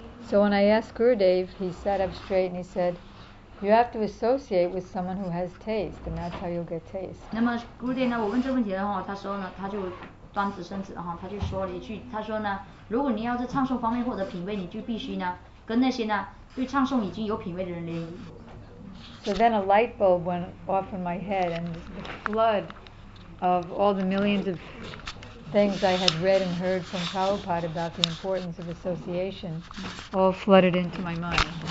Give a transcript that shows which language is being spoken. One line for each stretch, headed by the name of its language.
English: So when I asked Gurudev, he sat up straight and he said, you have to associate with someone who has taste, and that's how you'll get taste.
Chinese: 那么古典呢，我问这个问题的话，他说呢，他就端直身子，然后他就说了一句，他说呢，如果你要在唱诵方面获得品味，你就必须呢，跟那些呢对唱诵已经有品味的人联谊。
English: So then a light bulb went off in my head, and the flood of all the millions of things I had read and heard from Prabhupada about the importance of association all flooded into my mind.